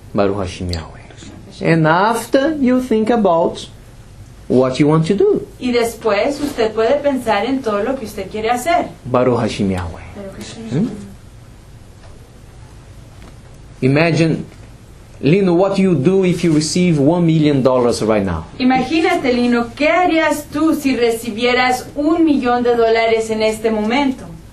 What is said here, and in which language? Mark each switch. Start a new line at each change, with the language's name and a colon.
Hebrew: Baruch Hashem Yahweh.
English: And after you think about what you want to do.
Spanish: Y después usted puede pensar en todo lo que usted quiere hacer.
Hebrew: Baruch Hashem Yahweh.
English: Imagine, Lino, what you do if you receive $1,000,000 right now?
Spanish: Imagínate, Lino, ¿qué harías tú si recibieras $1,000,000 en este momento?